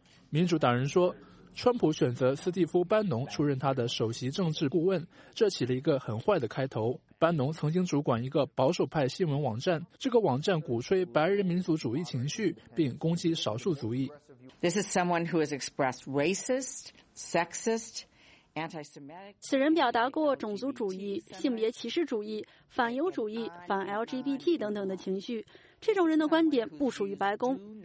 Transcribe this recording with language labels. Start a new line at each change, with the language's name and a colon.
Chinese: 民主党人说，川普选择斯蒂夫·班农出任他的首席政治顾问，这起了一个很坏的开头。班农曾经主管一个保守派新闻网站，这个网站鼓吹白人民族主义情绪，并攻击少数族裔。
English: This is someone who has expressed racist, sexist, anti-Semitic.
Chinese: 此人表达过种族主义、性别歧视主义、反犹主义、反 LGBT 等等的情绪。这种人的观点不属于白宫。